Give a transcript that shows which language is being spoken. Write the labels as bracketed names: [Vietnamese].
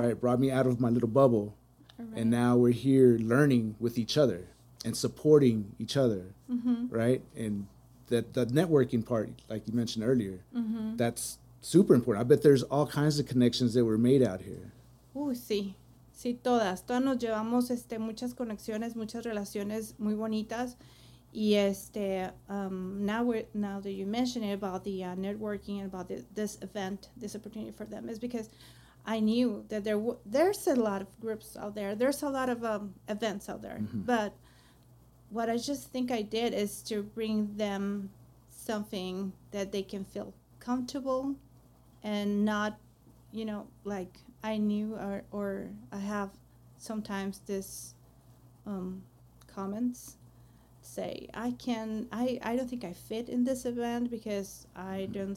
[English] Right? Brought me out of my little bubble, right. And now we're here learning with each other and supporting each other, mm-hmm. Right? And that the networking part, like you mentioned earlier, mm-hmm. That's super important. I bet there's all kinds of connections that were made out here. [Spanish] Sí. Sí, todas nos llevamos muchas conexiones, muchas relaciones muy bonitas. [English] Y now that you mention it about the networking and about this event, this opportunity for them, is because I knew that there's a lot of groups out there. There's a lot of events out there. Mm-hmm. But what I just think I did is to bring them something that they can feel comfortable and not, you know, like I knew or I have sometimes this comments say I don't think I fit in this event because I mm-hmm.